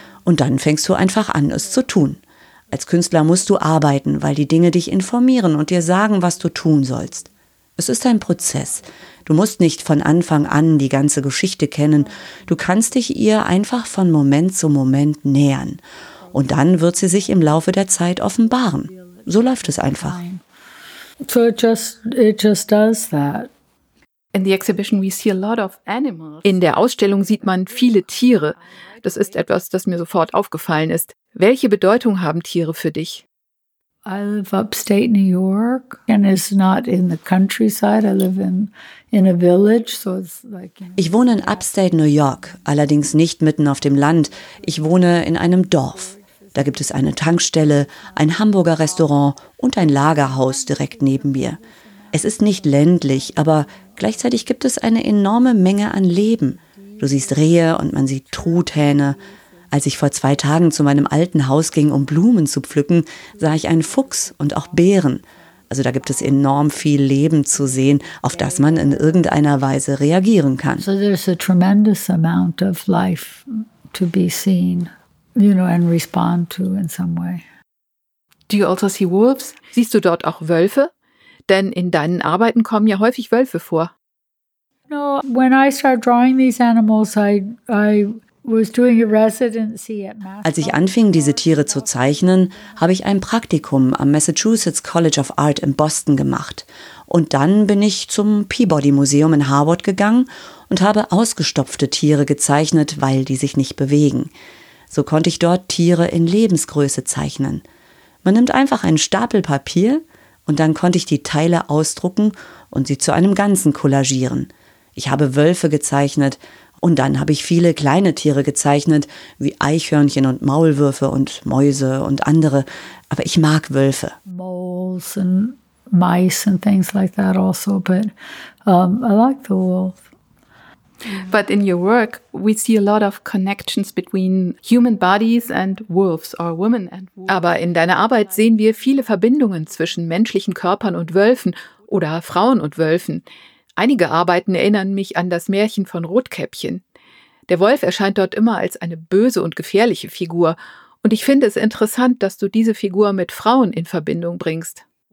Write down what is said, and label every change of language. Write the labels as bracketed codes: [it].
[de] Und dann fängst du einfach an, es zu tun. Als Künstler musst du arbeiten, weil die Dinge dich informieren und dir sagen, was du tun sollst. Es ist ein Prozess. Du musst nicht von Anfang an die ganze Geschichte kennen. Du kannst dich ihr einfach von Moment zu Moment nähern. Und dann wird sie sich im Laufe der Zeit offenbaren. So läuft es einfach. [en] So it just does that. In the exhibition we see a lot of animals. [de] In der Ausstellung sieht man viele Tiere. Das ist etwas, das mir sofort aufgefallen ist. Welche Bedeutung haben Tiere für dich? [en] I live upstate New York and it's not in the countryside. I live in a village, so it's like. [de] Ich wohne in upstate New York, allerdings nicht mitten auf dem Land. Ich wohne in einem Dorf. Da gibt es eine Tankstelle, ein Hamburger Restaurant und ein Lagerhaus direkt neben mir. Es ist nicht ländlich, aber gleichzeitig gibt es eine enorme Menge an Leben. Du siehst Rehe und man sieht Truthähne. Als ich vor 2 Tagen zu meinem alten Haus ging, um Blumen zu pflücken, sah ich einen Fuchs und auch Bären. Also da gibt es enorm viel Leben zu sehen, auf das man in irgendeiner Weise reagieren kann. [en] So there's a tremendous amount of life to be seen, you know, and respond to in some way. Do you also see wolves? [de] Siehst du dort auch Wölfe? Denn in deinen Arbeiten kommen ja häufig Wölfe vor. [en] No, when I start drawing these animals, I was doing a residency at Mass. [de] Als ich anfing, diese Tiere zu zeichnen, habe ich ein Praktikum am Massachusetts College of Art in Boston gemacht. Und dann bin ich zum Peabody Museum in Harvard gegangen und habe ausgestopfte Tiere gezeichnet, weil die sich nicht bewegen. So konnte ich dort Tiere in Lebensgröße zeichnen. Man nimmt einfach einen Stapel Papier. Und dann konnte ich die Teile ausdrucken und sie zu einem Ganzen kollagieren. Ich habe Wölfe gezeichnet und dann habe ich viele kleine Tiere gezeichnet, wie Eichhörnchen und Maulwürfe und Mäuse und andere. Aber ich mag Wölfe. [en] Moles and mice and things like that also, but I like the wolf. But in your work, we see a lot of connections between human bodies and wolves or women and wolves. [de] Aber in deiner Arbeit sehen wir viele Verbindungen zwischen menschlichen Körpern und Wölfen oder Frauen und Wölfen. Einige Arbeiten erinnern mich an das Märchen von Rotkäppchen. Der Wolf erscheint dort immer als eine böse und gefährliche Figur. Und ich finde es interessant, dass du diese Figur mit Frauen in Verbindung bringst.